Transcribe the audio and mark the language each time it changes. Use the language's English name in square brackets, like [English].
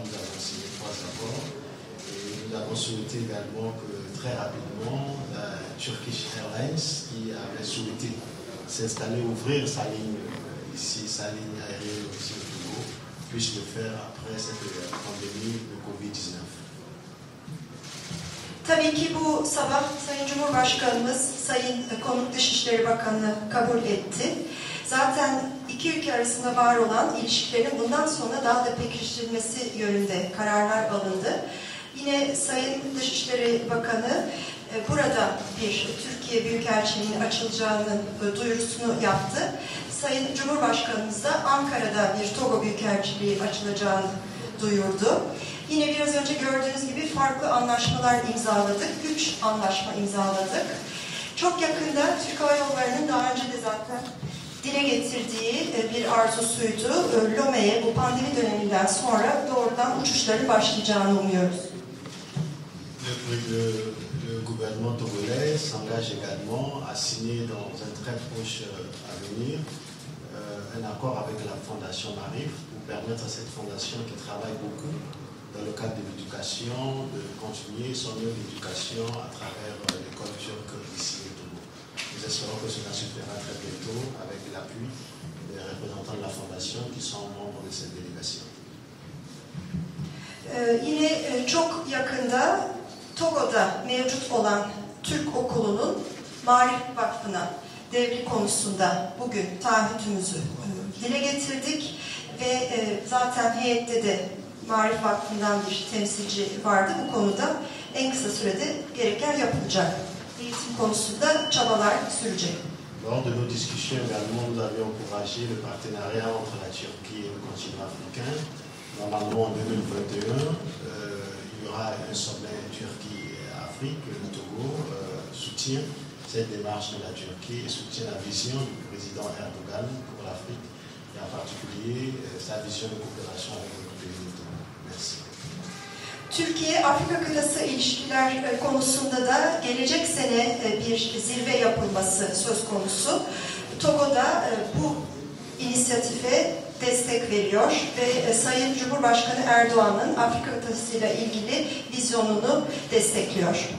[French] Nous avons signé trois accords et nous avons souhaité également que très rapidement, la Turkish Airlines, qui avait souhaité s'installer, ouvrir sa ligne ici, sa ligne aérienne aussi au Togo, puisse le faire après cette pandémie de COVID-19. [Turkish] Tabii ki bu sabah Sayın Cumhurbaşkanımız, Sayın Konuk Dışişleri Bakanı kabul etti. Zaten iki ülke arasında var olan ilişkilerin bundan sonra daha da pekiştirilmesi yönünde kararlar alındı. Yine Sayın Dışişleri Bakanı burada bir Türkiye Büyükelçiliği'nin açılacağının duyurusunu yaptı. Sayın Cumhurbaşkanımız da Ankara'da bir Togo Büyükelçiliği açılacağını duyurdu. Yine biraz önce gördüğünüz gibi farklı anlaşmalar imzaladık. 3 anlaşma imzaladık. Çok yakında Türk Hava Yolları'nın daha önce de zaten dile getirdiği bir arzusuydu. Lome'ye bu pandemi döneminden sonra doğrudan uçuşları başlayacağını umuyoruz. [French] Le gouvernement togolais s'engage également à signer dans un très proche avenir un accord avec la Fondation Marif pour permettre à cette fondation qui travaille beaucoup dans le cadre de l'éducation de continuer son œuvre d'éducation à travers l'école turque ici au Togo. Nous espérons que cela se fera très bientôt avec l'appui des représentants de la Fondation qui sont membres de cette délégation. Il est [Turkish] çok yakında Togo'da mevcut olan Türk okulunun Marif Vakfı'na devri konusunda bugün taahhütümüzü dile getirdik ve zaten heyette de Marif Vakfı'ndan bir temsilci vardı. Bu konuda en kısa sürede gereken yapılacak. Eğitim konusunda çabalar sürecek. [French] Lors de nos discussions également, nous avions encouragé le partenariat entre la Turquie et le continent africain. Normalement, en 2021, il y aura un sommet Turquie-Afrique. Le Togo soutient cette démarche de la Turquie et soutient la vision du président Erdogan pour l'Afrique et en particulier sa vision de coopération avec le pays du Togo. Merci. [Turkish] Türkiye-Afrika kıtası ilişkiler konusunda da gelecek sene bir zirve yapılması söz konusu. Togo da bu inisiyatife destek veriyor ve Sayın Cumhurbaşkanı Erdoğan'ın Afrika kıtasıyla ilgili vizyonunu destekliyor.